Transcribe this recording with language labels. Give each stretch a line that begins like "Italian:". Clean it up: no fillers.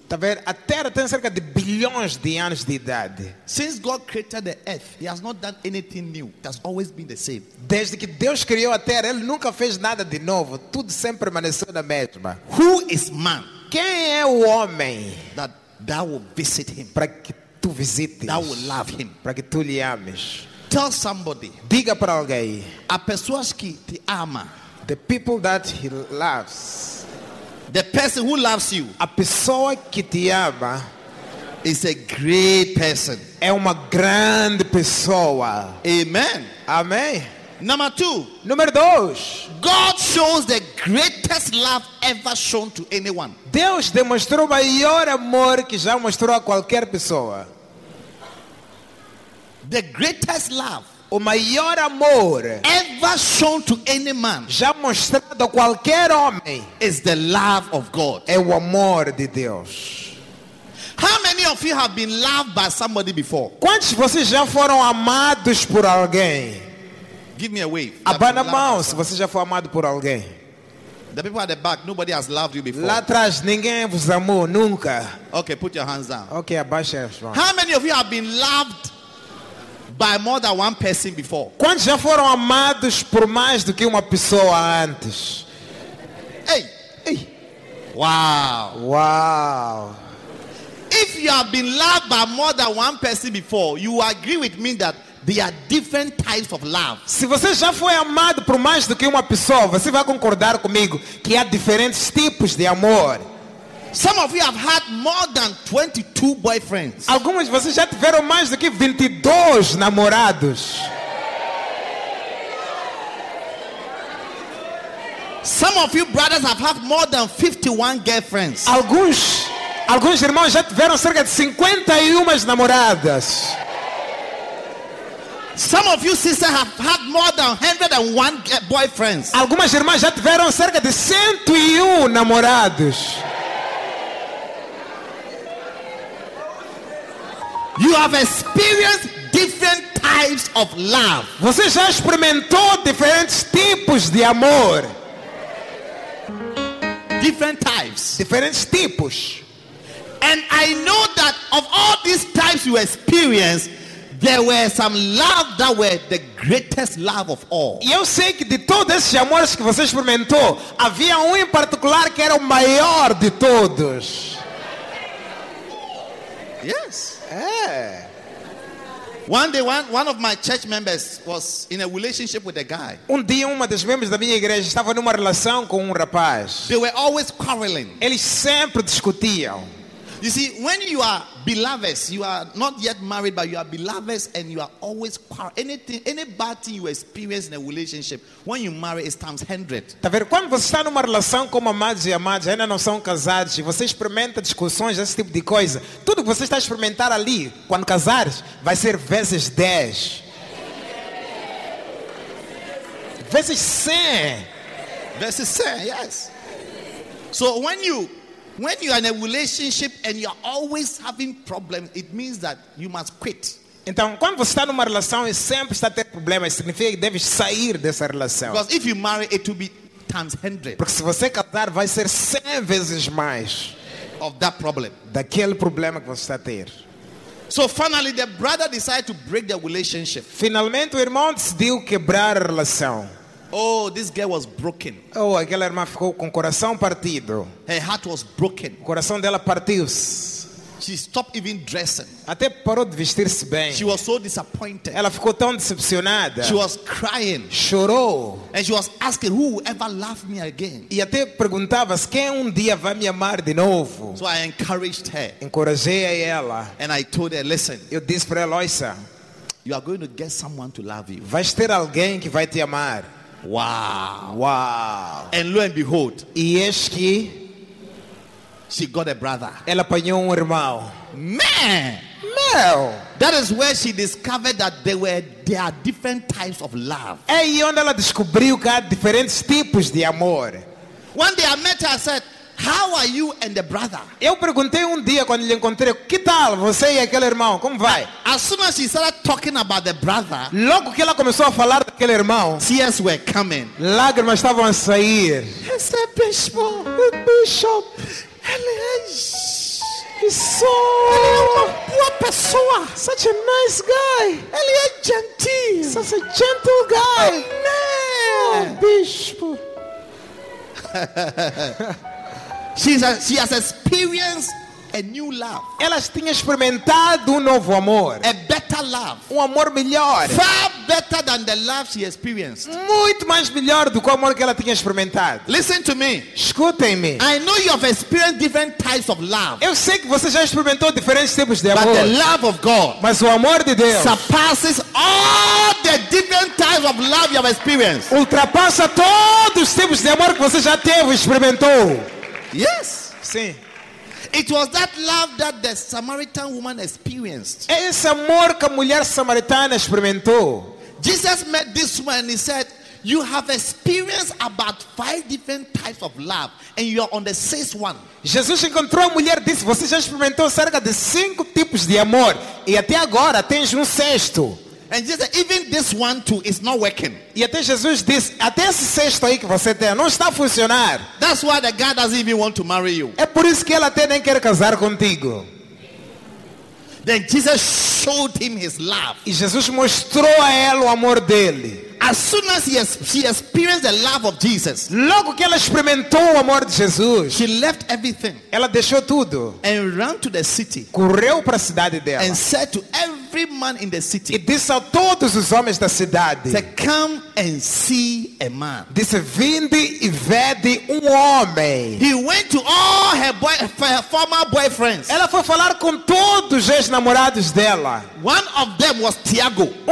Portuguese: A Terra tem cerca de bilhões de anos de idade.
English: Since God created the earth, he has not done anything new. It has always been the same.
Portuguese: Desde que Deus criou a Terra, ele nunca fez nada de novo. Tudo sempre permaneceu na mesma.
English: Who is man?
Portuguese: Quem é o homem
English: that thou will visit him?
Portuguese: Para que tu visites.
English: Thou will love him.
Portuguese: Para que tu lhe ames.
English: Tell somebody.
Portuguese: Diga para alguém. A pessoas que te ama.
English: The people that he loves. The person who loves you,
Portuguese: a pessoa que te ama,
English: is a great person.
Portuguese: É uma grande pessoa.
English: Amen. Amen. Number two.
Portuguese: Número dois.
English: God shows the greatest love ever shown to anyone.
Portuguese: Deus demonstrou o maior amor que já mostrou a qualquer pessoa.
English: The greatest love.
Portuguese: O maior amor
English: ever shown to any man,
Portuguese: já mostrado a qualquer homem,
English: is the love of God.
Portuguese: É o amor de Deus.
English: How many of you have been loved by somebody before?
Portuguese: Quantos de vocês já foram amados por alguém?
English: Give me a wave.
Portuguese: Abana mão se você já foi amado por alguém.
English: The people at the back, nobody has loved you before.
Portuguese: Lá atrás, ninguém vos amou nunca.
English: Okay, put your hands down.
Portuguese: Okay, abaixa as mãos.
English: How many of you have been loved by more than one person before?
Portuguese: Quantos já foram amados por mais do que uma pessoa antes? Ei, ei. Wow. Wow.
English: If you have been loved by more than one person before, you agree with me that there are different types of love.
Portuguese: Se você já foi amado por mais do que uma pessoa, você vai concordar comigo que há diferentes tipos de amor.
English: Some of you have had more than 22 boyfriends.
Portuguese: Algumas de vocês já tiveram mais do que 22 namorados.
English: Some of you brothers have had more than 51 girlfriends.
Portuguese: Alguns irmãos já tiveram cerca de 51 namoradas.
English: Some of you sisters have had more than 101 boyfriends.
Portuguese: Algumas irmãs já tiveram cerca de 101 namorados.
English: You have experienced different types of love.
Portuguese: Você já experimentou diferentes tipos de amor.
English: Different types.
Portuguese: Diferentes tipos.
English: And I know that of all these times you experience, there were some love that were the greatest love of all.
Portuguese: E eu sei que de todos esses amores que você experimentou, havia em particular que era o maior de todos.
English: Yes. Yeah. One day, one of my church members was in a relationship with a guy.
Portuguese: Um dia, uma das membros da minha igreja estava numa relação com rapaz.
English: They were always quarreling.
Portuguese: Eles sempre discutiam.
English: You see, when you are beloveds, you are not yet married, but you are beloveds and you are always quarreling. Anything, any bad thing you experience in a relationship, when you marry, it's times 100.
Portuguese: Tá vendo? Quando você está numa relação com amados e amados, ainda não são casados, e você experimenta discussões, esse tipo de coisa, tudo que você está a experimentar ali, quando casares, vai ser vezes 10. Vezes 100. Vezes 100, yes.
English: So when you are in a relationship and you are always having problems, it means that you must quit.
Portuguese: Então, quando você está numa relação e sempre está tendo problemas, significa que deve sair dessa relação.
English: Because if you marry, it will be times 100.
Portuguese: Porque se você casar, vai ser 100 vezes mais
English: of that problem.
Portuguese: Daquele problema que você está a ter.
English: So finally, the brother decided to break the relationship.
Portuguese: Finalmente, o irmão decidiu quebrar a relação.
English: Oh, this girl was broken.
Portuguese: Oh, aquela irmã ficou com o coração partido.
English: Her heart was broken.
Portuguese: O coração dela partiu-se.
English: She stopped even dressing.
Portuguese: Até parou de vestir-se bem.
English: She was so disappointed.
Portuguese: Ela ficou tão decepcionada.
English: She was crying.
Portuguese: Chorou.
English: And she was asking, who will ever love me again?
Portuguese: E até perguntava-se, quem dia vai me amar de novo?
English: So I encouraged her.
Portuguese: Encorajei a ela.
English: And I told her, listen.
Portuguese: Eu disse para ela, olha,
English: you are going to get someone to love you.
Portuguese: Vais ter alguém que vai te amar. Wow! Wow!
English: And lo and behold, Ieski, she got a brother.
Portuguese: Ela apanhou irmão.
English: Man,
Portuguese: meu!
English: That is where she discovered that there are different types of love.
Portuguese: É onde ela descobriu que há diferentes tipos de amor.
English: One day I met her. I said, "How are you and the brother?"
Portuguese: Eu perguntei dia quando lhe encontrei, que tal você e aquele irmão? Como vai?
English: As soon as she started talking about the brother,
Portuguese: logo que ela começou a falar daquele irmão,
English: tears were coming.
Portuguese: Lágrimas estavam a sair.
English: It's a bishop, a bishop.
Portuguese: Ele é uma boa pessoa.
English: Such a nice guy.
Portuguese: Ele é gentil.
English: Such a gentle guy. Amen. Oh, bishop. She has experienced a new love.
Portuguese: Ela tinha experimentado novo amor.
English: A better love.
Portuguese: Amor melhor.
English: Far better than the love she experienced.
Portuguese: Muito mais melhor do que o amor que ela tinha experimentado.
English: Listen to me.
Portuguese: Escutem-me.
English: I know you have experienced different types of love.
Portuguese: Eu sei que você já experimentou diferentes tipos de amor.
English: But the love of God.
Portuguese: Mas o amor de Deus
English: surpasses all the different types of love you have experienced.
Portuguese: Ultrapassa todos os tipos de amor que você já teve e experimentou.
English: Yes.
Portuguese: Sim.
English: It was that love that the Samaritan woman experienced.
Portuguese: É esse amor que a mulher samaritana experimentou.
English: Jesus met this woman and he said, "You have experienced about 5 different types of love and you are on the 6th one."
Portuguese: Jesus encontrou a mulher e disse, "Você já experimentou cerca de 5 tipos de amor e até agora tens sexto."
English: And Jesus, even this one too is not working.
Portuguese: E até Jesus diz, até esse sexto aí que você tem não está a funcionar.
English: That's why the guy doesn't even want to marry you.
Portuguese: É por isso que ele até nem quer casar contigo.
English: Then Jesus showed him his love.
Portuguese: E Jesus mostrou a ele o amor dele.
English: As soon as she experienced the love of Jesus,
Portuguese: logo que ela experimentou o amor de Jesus,
English: she left everything.
Portuguese: Ela deixou tudo.
English: And ran to the city.
Portuguese: Correu para a cidade dela.
English: And said to every man in the city.
Portuguese: E disse a todos os homens da cidade.
English: To come and see a man.
Portuguese: Disse, vinde e vede homem.
English: He went to all her former boyfriends.
Portuguese: Ela foi falar com todos os namorados dela.
English: One of them was Tiago.